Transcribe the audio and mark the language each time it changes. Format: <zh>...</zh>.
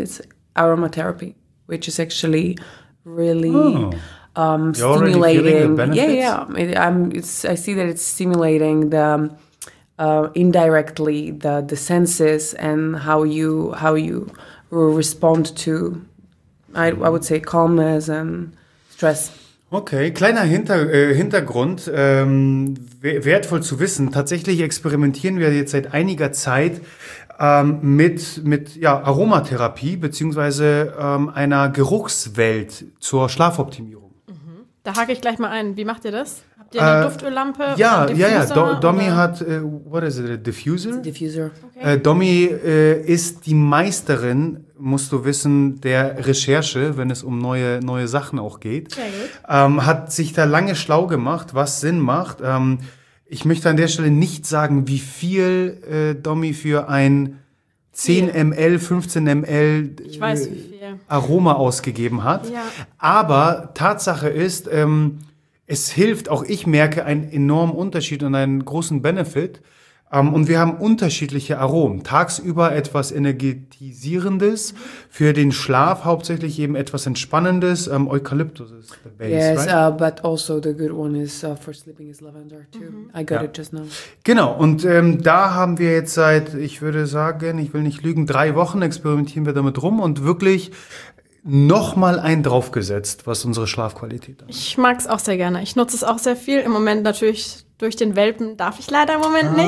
<en>It's aromatherapy, which is actually really stimulating. You're already feeling the benefits? Yeah. I see that it's stimulating the indirectly the senses and how you will respond to... I would say calmness and stress.</en> <de>Okay, kleiner Hintergrund, wertvoll zu wissen. Tatsächlich experimentieren wir jetzt seit einiger Zeit mit Aromatherapie beziehungsweise einer Geruchswelt zur Schlafoptimierung. Mhm. Da hake ich gleich mal ein. Wie macht ihr das? Habt ihr eine Duftöllampe? Ja, oder einen Diffuser? Ja. Domi hat,</de> <en>what is it, a diffuser? It's a diffuser.</en> <de>Okay. Domi ist die Meisterin, musst du wissen, der Recherche, wenn es um neue Sachen auch geht. Okay. Hat sich da lange schlau gemacht, was Sinn macht. Ich möchte an der Stelle nicht sagen, wie viel Domi für ein 10 ml, 15 ml ich weiß, wie viel. Aroma ausgegeben hat. Ja. Aber Tatsache ist, es hilft, auch ich merke einen enormen Unterschied und einen großen Benefit. Und wir haben unterschiedliche Aromen. Tagsüber etwas Energetisierendes, für den Schlaf hauptsächlich eben etwas Entspannendes.</de> <en>Eukalyptus ist the base, yes, right? Yes, but also the good one is for sleeping is lavender too. Mm-hmm. I got it just now.</en> <de>Genau, und da haben wir jetzt seit, ich würde sagen, ich will nicht lügen, 3 Wochen experimentieren wir damit rum und wirklich nochmal einen draufgesetzt, was unsere Schlafqualität angeht. Ich mag es auch sehr gerne. Ich nutze es auch sehr viel. Im Moment natürlich durch den Welpen darf ich leider im Moment nicht.</de>